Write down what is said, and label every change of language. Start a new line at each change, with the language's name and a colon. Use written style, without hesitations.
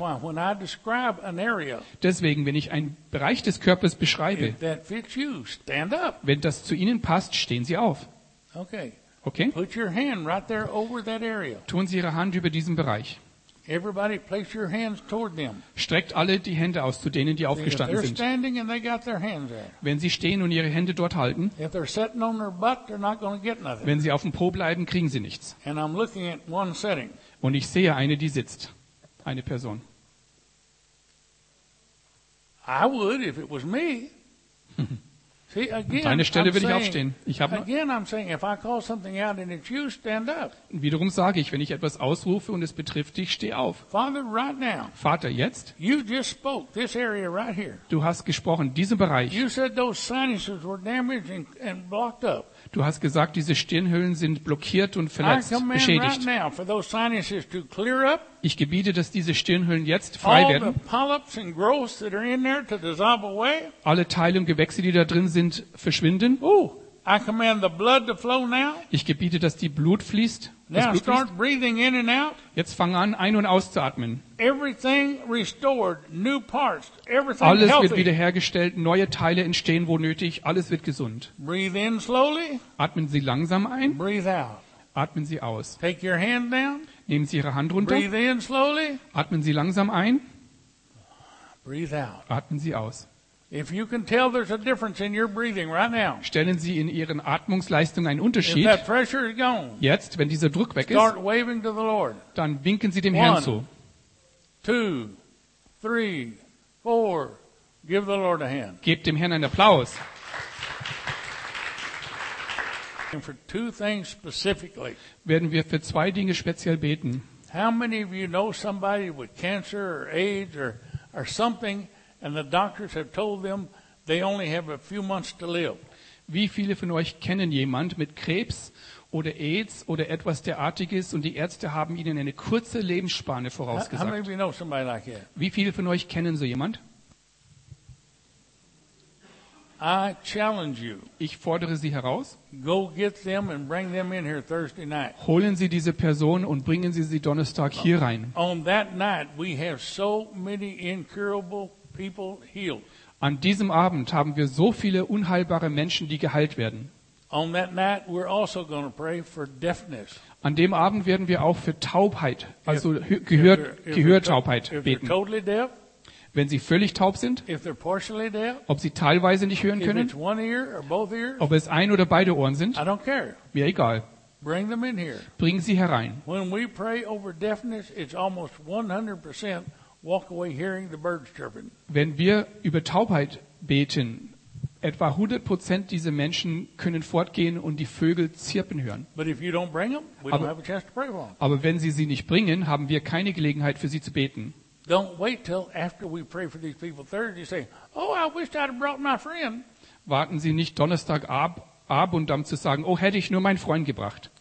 German: Deswegen, wenn ich ein Bereich des Körpers beschreibe.
English: If that fits you, stand up.
German: Wenn das zu Ihnen passt, stehen Sie auf.
English: Okay. Okay. Put your hand right there over that area.
German: Tun Sie Ihre Hand über diesen Bereich.
English: Everybody place your hands toward them.
German: Streckt alle die Hände aus zu denen, die aufgestanden
English: if they're
German: sind.
English: Standing and they got their hands there.
German: Wenn Sie stehen und Ihre Hände dort halten.
English: If they're sitting on their butt, they're not going to get nothing.
German: Wenn Sie auf dem Po bleiben, kriegen Sie nichts.
English: And I'm looking at one setting.
German: Und ich sehe eine, die sitzt. Eine Person.
English: I would if it was me. See, again,
German: an deiner Stelle würde ich aufstehen. Ich habe
English: again, I'm saying, if I call something out and it's you, stand up.
German: Wiederum sage ich, wenn ich etwas ausrufe und es betrifft dich, steh auf.
English: Father, right now,
German: Vater, jetzt.
English: You just spoke this area right here.
German: Du hast gesprochen, diesen Bereich.
English: You said those sinuses were damaged and blocked up.
German: Du hast gesagt, diese Stirnhöhlen sind blockiert und verletzt, beschädigt.
English: Right now for those sinuses to clear up.
German: Ich gebiete, dass diese Stirnhöhlen jetzt frei werden.
English: All the polyps and growths that are in there to dissolve away.
German: Alle Teile und Gewächse, die da drin sind, verschwinden.
English: Oh, I command the blood to flow now.
German: Ich gebiete, dass die Blut fließt.
English: Now
German: Blut
English: start
German: fließt.
English: Breathing in and out.
German: Jetzt fang an, ein- und auszuatmen.
English: Everything restored, new parts, everything
German: alles
English: healthy.
German: Wird wiederhergestellt, neue Teile entstehen, wo nötig, alles wird gesund.
English: Breathe in slowly.
German: Atmen Sie langsam ein.
English: Breathe out.
German: Atmen Sie aus.
English: Take your hand down.
German: Nehmen Sie Ihre Hand runter.
English: Breathe in slowly.
German: Atmen Sie langsam ein.
English: Breathe out.
German: Atmen Sie aus.
English: If you can tell there's a difference in your breathing right now.
German: Stellen Sie in Ihren Atmungsleistungen einen Unterschied.
English: If that pressure is gone,
German: jetzt, wenn dieser Druck weg ist,
English: start waving to the Lord.
German: Dann winken Sie dem
English: One,
German: Herrn zu.
English: 2, 3, 4. Give the Lord a hand.
German: Gebt dem Herrn einen Applaus.
English: And for two things specifically.
German: Werden wir für zwei Dinge speziell beten.
English: How many of you know somebody with cancer or AIDS or something and the doctors have told them they only have a few months to live?
German: Wie viele von euch kennen jemand mit Krebs oder AIDS oder etwas derartiges und die Ärzte haben ihnen eine kurze Lebensspanne vorausgesagt?
English: How many of you know somebody like that?
German: Wie viele von euch kennen so jemand?
English: I challenge you.
German: Ich fordere Sie heraus.
English: Go get them and bring them in here Thursday night.
German: Holen Sie diese Person und bringen Sie sie Donnerstag hier rein.
English: On that night we have so many incurable people healed.
German: An diesem Abend haben wir so viele unheilbare Menschen, die geheilt werden.
English: On that night we're also going to pray for deafness.
German: An dem Abend werden wir auch für Taubheit, also Gehörtaubheit beten.
English: Totally deaf.
German: Wenn sie völlig taub sind, ob sie teilweise nicht hören können, ob es ein oder beide Ohren sind, mir egal.
English: Bring
German: sie herein.
English: When we pray over deafness, it's almost 100% walk away hearing the birds chirping.
German: Wenn wir über Taubheit beten, etwa 100% dieser Menschen können fortgehen und die Vögel zirpen hören. Aber wenn sie sie nicht bringen, haben wir keine Gelegenheit für sie zu beten.
English: Don't wait till after we pray for these people Thursday say, "Oh, I wish I'd brought my friend."
German: Warten Sie nicht Donnerstag ab und dann zu sagen, "Oh, hätte ich nur meinen Freund gebracht."